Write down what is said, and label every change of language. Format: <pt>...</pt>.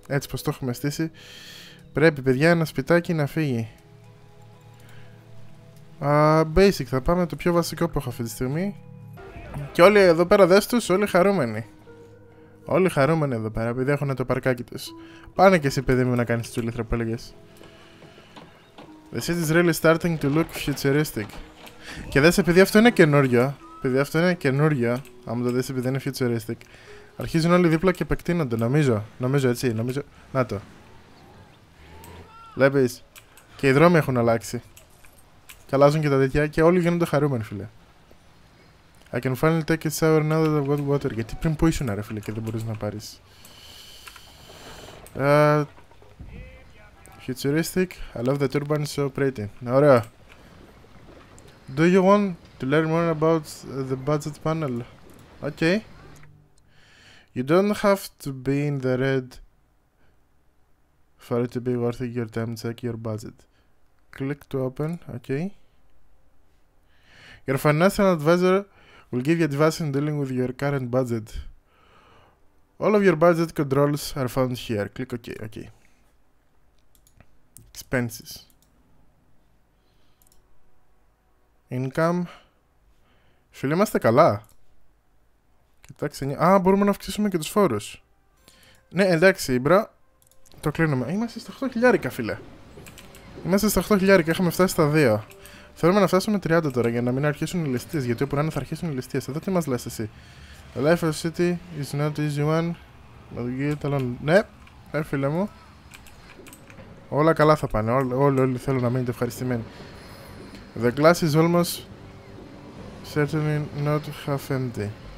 <el>Έτσι πως το έχουμε στήσει, πρέπει παιδιά ένα σπιτάκι να φύγει. Basic, θα πάμε το πιο βασικό που έχω αυτή τη στιγμή. Και όλοι εδώ πέρα δες τους, όλοι χαρούμενοι. Όλοι χαρούμενοι εδώ πέρα, επειδή έχουν το παρκάκι τους. Πάνε και εσύ παιδί μου να κάνεις τσουλήθρα που έλεγες.</el> <en>The city is really starting to look futuristic.</en> <el>Και δες, επειδή αυτό είναι καινούριο. Επειδή αυτό είναι καινούριο, άμα το δεις επειδή είναι futuristic, αρχίζουν όλοι δίπλα και επεκτείνονται, νομίζω. Νομίζω έτσι, νομίζω. Να το. Βλέπεις. Και οι δρόμοι έχουν αλλάξει. Και αλλάζουν και τα τέτοια και όλοι γίνονται χαρούμενοι, φίλε.</el> <en>I can finally take a shower now that I've got water.</en> <el>Γιατί πριν που ήσουν, ρε φίλε, και δεν μπορείς να πάρεις.</el> <en>Futuristic. I love the turbine, so pretty. Ωραία. Do you want to learn more about the budget panel? Okay. You don't have to be in the red for it to be worth your time. Check your budget. Click to open. Okay. Your financial advisor will give you advice in dealing with your current budget. All of your budget controls are found here. Click OK. Okay. Expenses.</en> <el>Income. Φίλοι, είμαστε καλά. Κοιτάξτε, μπορούμε να αυξήσουμε και τους φόρους. Ναι, εντάξει, μπρο. Το κλείνουμε. Είμαστε στα 8.000, φίλε. Είμαστε στα 8.000, είχαμε φτάσει στα 2. Θέλουμε να φτάσουμε 30 τώρα για να μην αρχίσουν οι ληστείες. Γιατί όπου να είναι θα αρχίσουν οι ληστείες. Εδώ τι μας λες εσύ?</el> <en>The life of city is not easy one.</en> <el>Ναι, φίλε μου. Όλα καλά θα πάνε. Όλοι θέλω να μείνετε ευχαριστημένοι.</el> <en>The glass is almost certainly not half empty.</en>